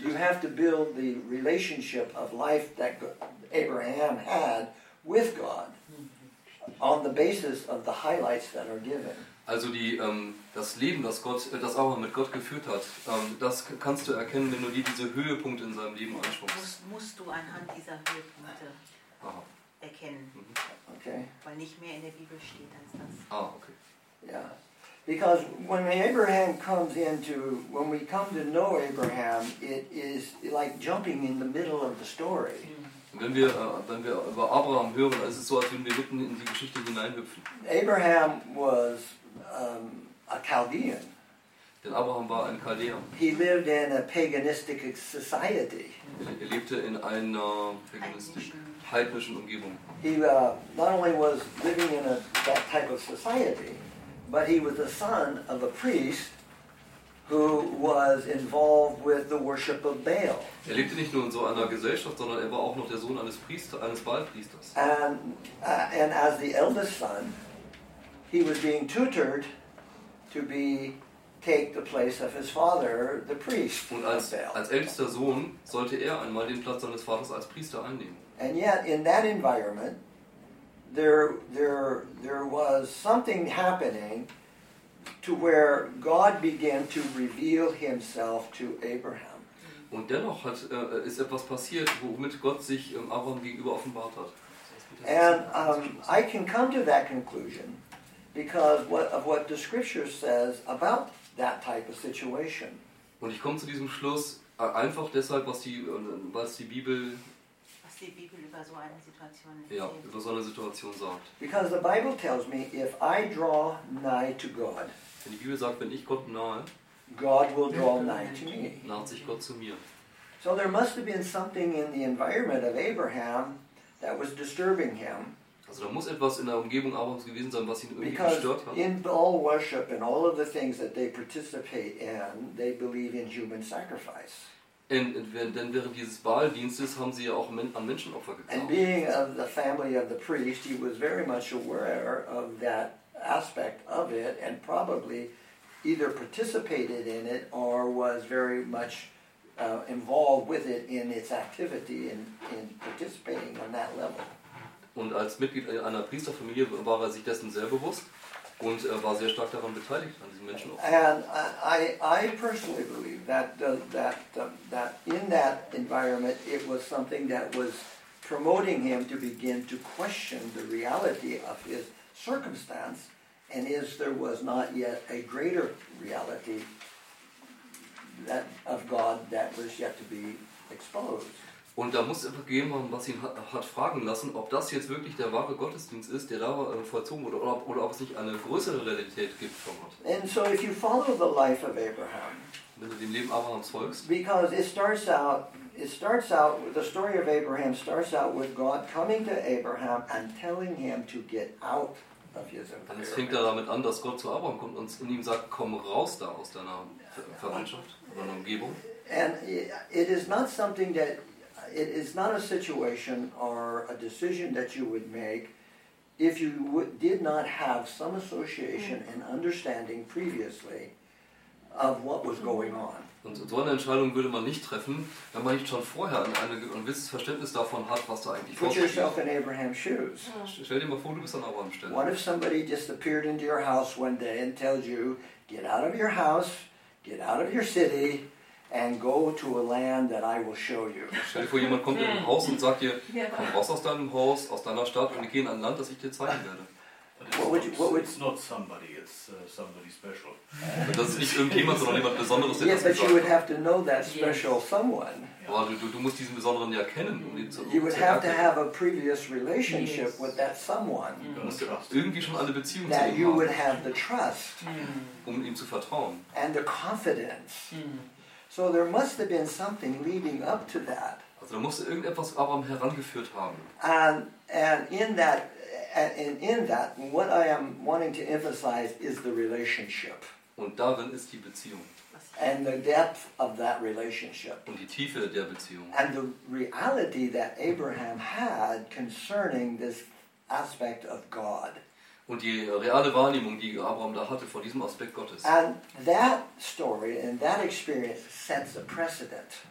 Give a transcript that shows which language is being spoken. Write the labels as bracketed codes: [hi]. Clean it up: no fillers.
[en] You have to build the relationship of life that Abraham had with God on the basis of the highlights that are given. [de] Also das Leben, das Abraham mit Gott geführt hat, das kannst du erkennen, wenn du dir diese Höhepunkte in seinem Leben anschaust. Musst du anhand dieser Höhepunkte erkennen. Okay. Weil nicht mehr in der Bibel steht als das. Ah, okay. [en] Yeah. Because when Abraham comes into, when we come to know Abraham, it is like jumping in the middle of the story. [de] Wenn wir über Abraham hören, ist es so, als würden wir mitten in die Geschichte hineinhüpfen. [en] Abraham was a Chaldean. [de] Denn Abraham war ein Chaldeer. [en] He lived in a paganistic society. [de] Er lebte in einer heidnischen Umgebung. [en] He not only was living in that type of society, but he was the son of a priest who was involved with the worship of Baal. [de] Er lebte nicht nur in so einer Gesellschaft, sondern er war auch noch der Sohn eines Baalpriesters. [en] And as the eldest son, he was being tutored to take the place of his father, the priest. [de] Und als ältester Sohn sollte er einmal den Platz seines Vaters als Priester einnehmen. [en] And yet in that environment there was something happening to where God began to reveal himself to Abraham. [de] Und dennoch ist etwas passiert, womit Gott sich Abraham gegenüber offenbart hat. [en] And I can come to that conclusion because of what the scripture says about that type of situation. [de] Und ich komme zu diesem Schluss einfach deshalb, was die Bibel über so eine Situation sagt. Ja, über so eine Situation sagt. [en] Because the Bible tells me if I draw nigh to God. [de] Wenn die Bibel sagt, wenn ich Gott nahe, [en] God will draw nigh to me. [de] Naht sich Gott zu mir. [en] So there must have been something in the environment of Abraham that was disturbing him. [de] Also da muss etwas in der Umgebung Abrahams gewesen sein, was ihn irgendwie [en] Because [de] gestört hat. [en] Because in all worship and all of the things that they participate in, they believe in human sacrifice. [de] Denn während dieses Baal-Dienstes haben sie ja auch an Menschenopfer geglaubt. [en] And being of the family of the priest, he was very much aware of that aspect of it and probably either participated in it or was very much involved with it in its activity in participating on that level. [de] Und als Mitglied einer Priesterfamilie war er sich dessen sehr bewusst und er war sehr stark daran beteiligt an diesen Menschenopfern. [en] And I personally believe that in that environment it was something that was promoting him to begin to question the reality of his circumstance, and is there was not yet a greater reality that of God that was yet to be exposed. [de] Und da muss einfach gegeben haben, was ihn hat fragen lassen, ob das jetzt wirklich der wahre Gottesdienst ist, der da vollzogen wurde, oder ob es nicht eine größere Realität gibt von Gott. [en] And so if you follow the life of Abraham, [de] wenn du dem Leben Abrahams folgst, [en] because it starts out the story of Abraham starts out with God coming to Abraham and telling him to get out. [de] Dann fängt er damit an, dass Gott zu Abraham kommt und in ihm sagt: Komm raus da aus deiner Verwandtschaft oder deiner Umgebung. [en] And it is not something that it is not a situation or a decision that you would make if you did not have some association and understanding previously of what was going on. [de] Und so eine Entscheidung würde man nicht treffen, wenn man nicht schon vorher ein gewisses Verständnis davon hat, was da eigentlich vorgeht. [en] Put yourself in Abraham's shoes. [de] Stell dir mal vor, du bist an Abraham's Stelle. [en] What if somebody disappeared into your house one day and tells you, get out of your house, get out of your city, and go to a land that I will show you. [de] Stell dir vor, jemand kommt in dein Haus und sagt dir, komm raus aus deinem Haus, aus deiner Stadt und geh in ein Land, das ich dir zeigen werde. [en] It's not somebody, it's somebody special. [de] Das ist nicht irgendjemand, sondern jemand Besonderes. [en] Yes, but you would have to know that special someone. [de] Aber du musst diesen Besonderen ja kennen, um ihn zu erkennen. [en] You would have to have a previous relationship with that someone. [de] Irgendwie schon eine Beziehung zu ihm haben. [en] That you would have the trust. [de] Um ihm zu vertrauen. [en] And the confidence. So there must have been something leading up to that. [de] Also da musste irgendetwas Abraham herangeführt haben. [en] And in that, what I am wanting to emphasize is the relationship. [de] Und darin ist die Beziehung. [en] And the depth of that relationship. [de] Und die Tiefe der Beziehung. [en] And the reality that Abraham had concerning this aspect of God. [de] Und die reale Wahrnehmung, die Abraham da hatte vor diesem Aspekt Gottes. [en] And that story and that experience sets a precedent.